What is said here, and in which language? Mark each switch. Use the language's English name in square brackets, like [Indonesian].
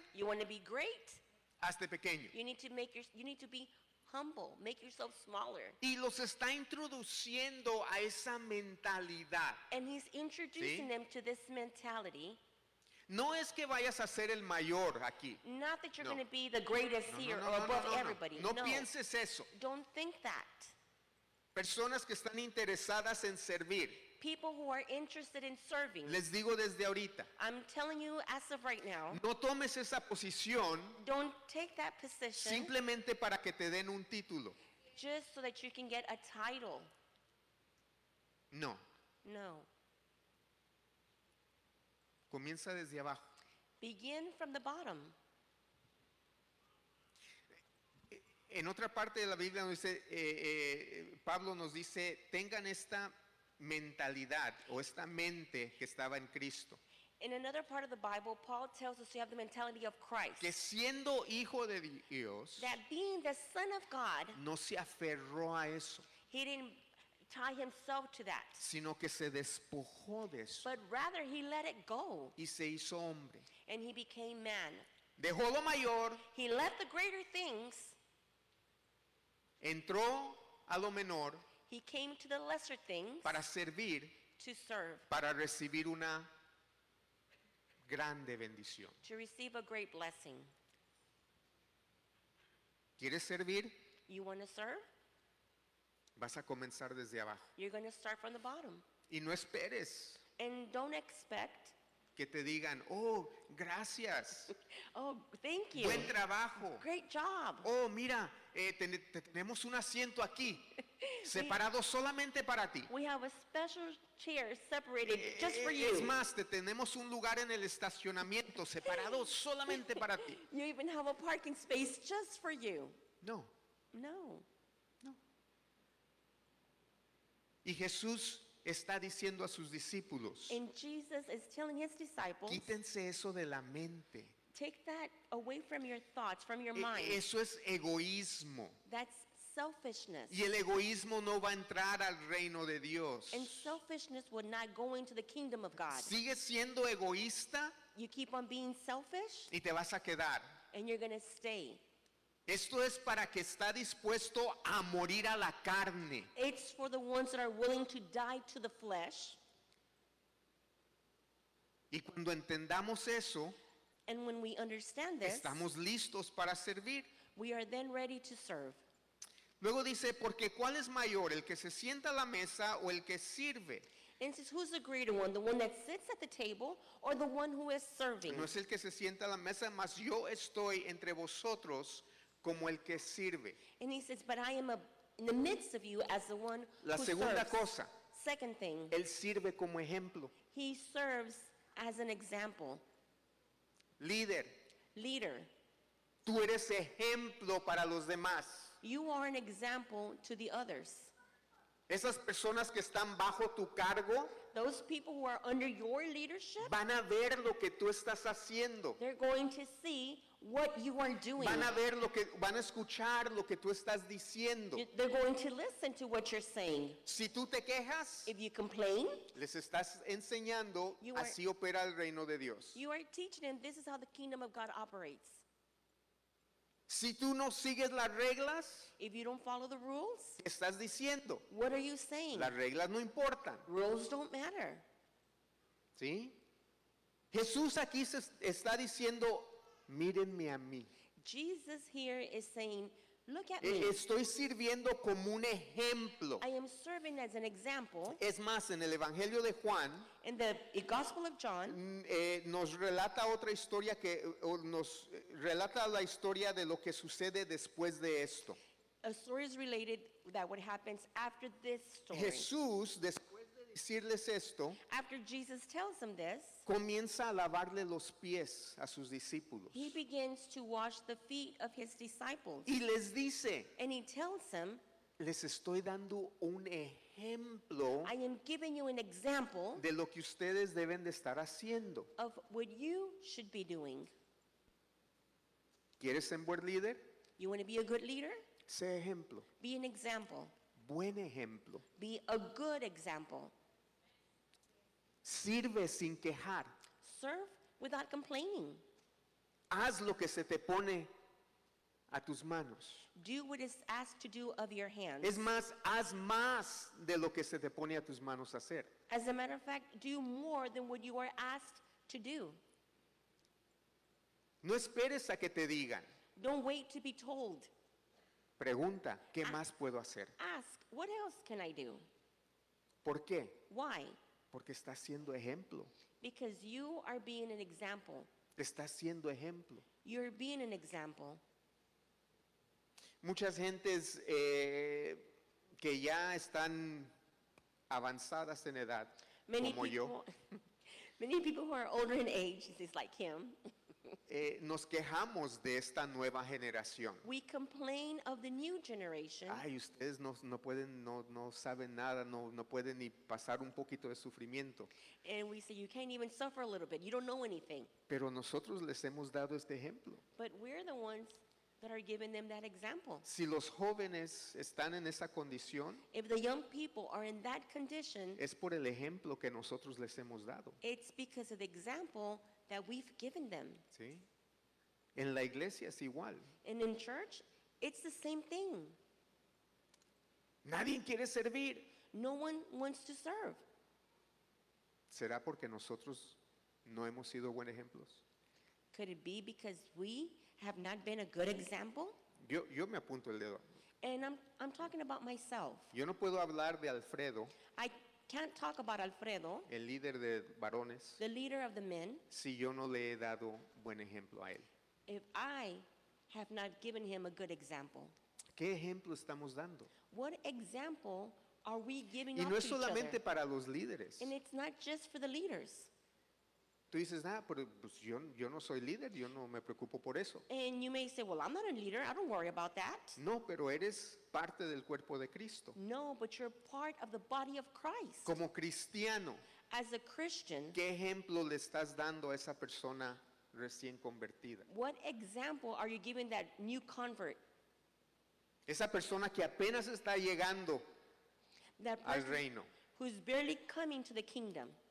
[English] You want to be great? [Spanish] Hazte pequeño. [English] You need to be humble. Make yourself smaller. [Spanish] Y los está introduciendo a esa mentalidad. [English] And he's introducing [Spanish] ¿sí? [English] them to this mentality. [Spanish] No es que vayas a ser el mayor aquí. [English] Not that you're going to be the greatest here or above everybody. [Spanish] No pienses eso. [English] Don't think that. [Spanish] Personas que están interesadas en servir. [English] People who are interested in serving. [Spanish] Les digo desde ahorita. [English] I'm telling you as of right now. [Spanish] No tomes esa posición. [English] Don't take that position. [Spanish] Simplemente para que te den un título. [English] Just so that you can get a title. [Spanish] No. [English] No. [Spanish] Comienza desde abajo. [English] Begin from the bottom. [Spanish] En otra parte de la Biblia nos dice, Pablo nos dice, tengan esta mentalidad o esta mente que estaba en Cristo. [English] In another part of the Bible, Paul tells us to have the mentality of Christ. [Spanish] Que siendo hijo de Dios, [English] that being the son of God, [Spanish] no se aferró a eso. [English] He didn't tie himself to that. [Spanish] Sino que se despojó de eso. [English] But rather he let it go. [Spanish] Y se hizo hombre. [English] And he became man. [Spanish] Dejó lo mayor. [English] He left the greater things. [Spanish] Entró a lo menor. [English] He came to the lesser things. [Spanish] Para servir. [English] To serve. [Spanish] Para recibir una grande bendición. [English] To receive a great blessing. [Spanish] ¿Quieres servir? [English] You want to serve? [Spanish] Vas a comenzar desde abajo. [English] You're going to start from the bottom. [Spanish] Y no esperes. [English] And don't expect. [Spanish] Que te digan, oh, gracias. [English] Oh, thank you. [Spanish] Buen trabajo. [English] Great job. [Spanish] Oh, mira, tenemos un asiento aquí. Separado solamente para ti. [English] We have a special chair separated just for you. [Spanish] Es más, tenemos un lugar en el estacionamiento separado solamente para ti. [English] You even have a parking space just for you. [Spanish] No. [English] No. [Spanish] Y Jesús está diciendo a sus discípulos, [English] and Jesus is telling his disciples, [Spanish] quítense eso de la mente. [English] Take that away from your thoughts, from your mind. [Spanish] Eso es egoísmo. [English] That's selfishness. [Spanish] Y el egoísmo no va a entrar al reino de Dios. [English] And selfishness would not go into the kingdom of God. [Spanish] Sigues siendo egoísta. [English] You keep on being selfish. [Spanish] Y te vas a quedar. [English] And you're going to stay. [Spanish] Esto es para que está dispuesto a morir a la carne. [English] It's for the ones that are willing to die to the flesh. [Spanish] Y cuando entendamos eso, [English] and when we understand this, [Spanish] estamos listos para servir. [English] We are then ready to serve. [Spanish] Luego dice, porque ¿cuál es mayor, el que se sienta a la mesa o el que sirve? [English] And says, who's the greater one, the one that sits at the table or the one who is serving? [Spanish] No es el que se sienta a la mesa, mas yo estoy entre vosotros como el que sirve. [English] And he says, but I am in the midst of you as the one who serves. [Spanish] La segunda cosa. [English] Second thing. [Spanish] Él sirve como ejemplo. [English] He serves as an example. [Spanish] Líder. [English] Leader. [Spanish] Tú eres ejemplo para los demás. [English] You are an example to the others. [Spanish] Esas personas que están bajo tu cargo, [English] those people who are under your leadership, [Spanish] van a ver lo que tú estás haciendo. [English] They're going to see what you are doing. [Spanish] Van a ver lo que, van a escuchar lo que tú estás diciendo. [English] They're going to listen to what you're saying. [Spanish] Si tú te quejas, [English] if you complain, [Spanish] les estás enseñando así opera el reino de Dios. [English] You are teaching them this is how the kingdom of God operates. [Spanish] Si tú no sigues las reglas, [English] if you don't follow the rules, [Spanish] estás diciendo, [English] what are you saying? [Spanish] Las reglas no importan. [English] Rules don't matter. [Spanish] ¿Sí? Jesús aquí se está diciendo, mírenme a mí. [English] Jesus here is saying, look at me. [Spanish] Estoy sirviendo como un ejemplo. [English] I am serving as an example. [Spanish] Es más, en el Evangelio de Juan, [English] in the Gospel of John, [Spanish] nos relata otra historia que nos relata la historia de lo que sucede después de esto. [English] A story is related that what happens after this story. [Spanish] Jesús, después de decirles esto, [English] after Jesus tells them this, [Spanish] comienza a lavarle los pies a sus discípulos. [English] He begins to wash the feet of his disciples. [Spanish] Y les dice, [English] and he tells them, [Spanish] les estoy dando un ejemplo, [English] I am giving you an example, [Spanish] de lo que ustedes deben de estar haciendo, [English] of what you should be doing. [Spanish] ¿Quieres ser buen líder? [English] You want to be a good leader? [Spanish] Sé ejemplo. [English] Be an example. [Spanish] Buen ejemplo. [English] Be a good example. [Spanish] Sirve sin quejar. [English] Serve without complaining. [Spanish] Haz lo que se te pone a tus manos. [English] Do what is asked to do of your hands. [Spanish] Es más, haz más de lo que se te pone a tus manos hacer. [English] As a matter of fact, do more than what you are asked to do. [Spanish] No esperes a que te digan. [English] Don't wait to be told. [Spanish] Pregunta, ¿qué más puedo hacer? [English] Ask, what else can I do? [Spanish] ¿Por qué? [English] Why? [Spanish] Porque estás siendo ejemplo. [English] Because you are being an example. [Spanish] Estás siendo ejemplo. [English] You're being an example. [Spanish] Muchas gentes que ya están avanzadas en edad, [English] many [Spanish] como [English] people, [Spanish] yo. [English] Many people who are older in age, just like him. [Spanish] Nos quejamos de esta nueva generación. [English] We complain of the new generation. [Spanish] Ay, ustedes no pueden, no saben nada, no pueden ni pasar un poquito de sufrimiento. [English] And we say you can't even suffer a little bit. You don't know anything. [Spanish] Pero nosotros les hemos dado este ejemplo. [English] But we're the ones that are giving them that example. [Spanish] Si los jóvenes están en esa condición, [English] if the young people are in that condition, [Spanish] es por el ejemplo que nosotros les hemos dado. [English] It's because of the example that we've given them. [Spanish] Sí. En la iglesia es igual. [English] And in church, it's the same thing. [Spanish] Nadie quiere servir. [English] No one wants to serve. [Spanish] ¿Será porque nosotros no hemos sido buenos ejemplos? [English] Could it be because we have not been a good example? [Spanish] Yo me apunto el dedo. [English] And I'm talking about myself. [Spanish] Yo no puedo hablar de Alfredo. [English] Can't talk about Alfredo, [Spanish] el líder de varones, [English] the leader of the men, [Spanish] si yo no le he dado buen ejemplo a él. [English] If I have not given him a good example. [Spanish] ¿Qué ejemplo estamos dando? [English] What example are we giving? [Spanish] Y no es solamente para los líderes. [English] And it's not just for the leaders. [Spanish] Tú dices, ah, pero pues yo no soy líder, yo no me preocupo por eso. [English] And you may say, well, I'm not a leader, I don't worry about that. [Spanish] No, pero eres parte del cuerpo de Cristo. [English] No, but you're part of the body of Christ. [Spanish] Como cristiano. [English] As a Christian. [Spanish] ¿Qué ejemplo le estás dando a esa persona recién convertida? [English] What example are you giving that new convert? [Spanish] Esa persona que apenas está llegando al reino. [English] Who's barely coming to the kingdom.